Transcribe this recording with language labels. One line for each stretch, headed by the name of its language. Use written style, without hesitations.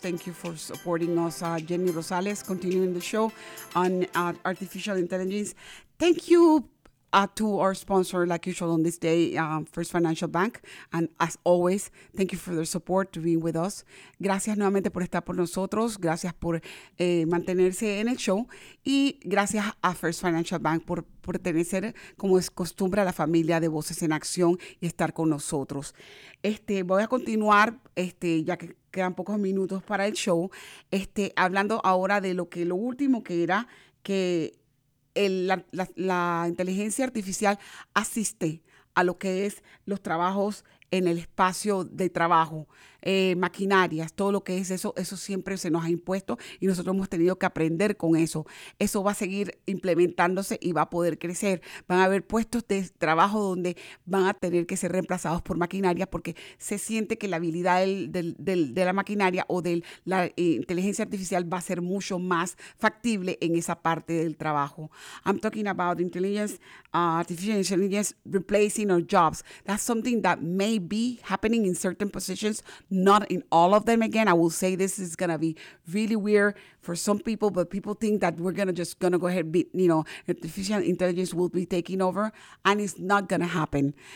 English: Thank you for supporting us, Jenny Rosales, continuing the show on artificial intelligence. Thank you to our sponsor, like usual on this day, First Financial Bank. And as always, thank you for their support to be with us.
Spanish: Gracias nuevamente por estar por nosotros. Gracias por mantenerse en el show. Y gracias a First Financial Bank por pertenecer, como es costumbre, a la familia de Voces en Acción y estar con nosotros. Voy a continuar, ya que quedan pocos minutos para el show, hablando ahora de lo último que era que la inteligencia artificial asiste a lo que es los trabajos en el espacio de trabajo, maquinarias, todo lo que es eso siempre se nos ha impuesto y nosotros hemos tenido que aprender con eso. Eso va a seguir implementándose y va a poder crecer. Van a haber puestos de trabajo donde van a tener que ser reemplazados por maquinarias porque se siente que la habilidad de la maquinaria o de la inteligencia artificial va a ser mucho más factible en esa parte del trabajo.
English: I'm talking about artificial intelligence replacing our jobs. That's something that may be happening in certain positions, not in all of them. Again, I will say this is going to be really weird for some people, but people think that we're going to go ahead artificial intelligence will be taking over, and it's not going to happen.